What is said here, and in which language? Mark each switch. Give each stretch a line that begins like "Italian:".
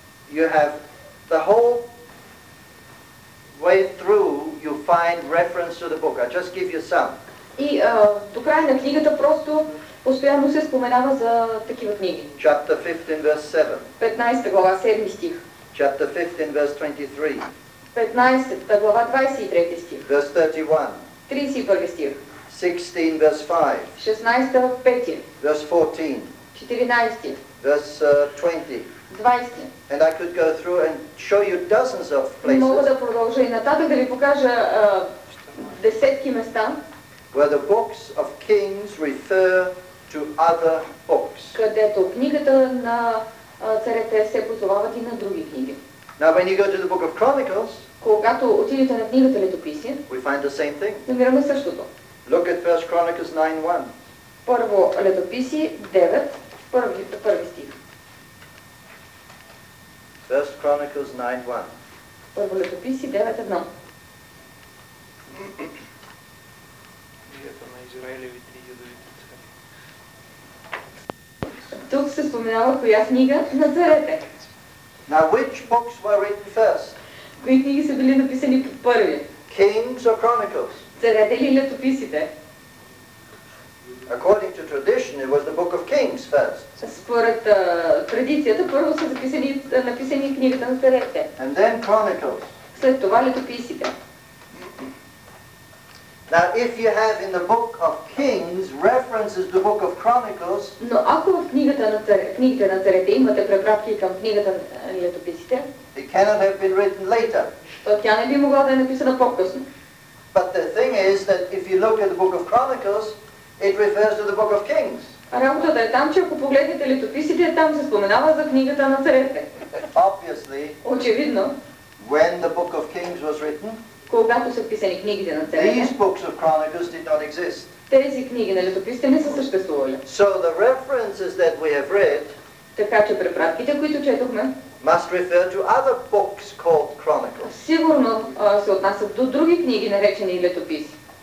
English: You have the whole way through, you find reference to the book. I'll just give you some.
Bulgarian: И до края на книгата просто постоянно се споменава за такива книги.
English: Chapter 15, verse 7.
Bulgarian: 15 глава, 7 стих.
English: Chapter 15, verse 23.
Bulgarian: 15 глава, 23 стих.
English: Verse 31.
Bulgarian: 31 стих.
English: 16, verse 5.
Bulgarian: 16, 5.
English: Verse 14.
Bulgarian: 14.
English: Verse 20.
Bulgarian: 20.
English: And I could go through and show you dozens of places.
Bulgarian: Мога да продължа и нататък да ви покажа десетки места.
English: Where the books of Kings refer to other books.
Bulgarian: Където книгата на царете се позовават и на други книги.
English: Now when you go to the book of Chronicles,
Bulgarian: когато отидете на книгата Летописи,
English: we find the same thing.
Bulgarian: Намираме същото.
English: Look at 1 Chronicles 9:1.
Bulgarian: Първо Летописи 9, първи стих.
English: 1 Chronicles 9:1.
Bulgarian: Първо Летописи 9:1. Книгата на Израилевите и Юдовите цари. Тук се споменава коя книга на царете.
English: Now which books were written first?
Bulgarian: Кои книги са били написани първи?
English: Kings or Chronicles?
Bulgarian: Царете ли летописите?
English: According to tradition, it was the book of Kings first.
Bulgarian: Според традицията, първо са написани книгата на царете.
English: And then Chronicles.
Bulgarian: След това летописите.
English: Now, if you have in the book of Kings references the book of Chronicles,
Bulgarian: но ако в книгите на царете имате препратки към книгата на летописите,
English: it cannot have been written later.
Bulgarian: То тя не би могла да е написана по-късно.
English: But the thing is that if you look at the book of Chronicles, it refers to the book of Kings.
Bulgarian: Работата е там, че ако погледнете летописите, там се споменава за книгата на царете.
English: Obviously,
Bulgarian: очевидно,
English: when the book of Kings was written,
Bulgarian: когато са писани книгите на царете,
English: these books of Chronicles did not exist.
Bulgarian: Тези книги на летописите не са съществували.
English: So the references that we have read,
Bulgarian: така че препратките, които четохме,
English: must refer to other books called Chronicles.
Bulgarian: Сигурно се отнасят до други книги, наречени летописи.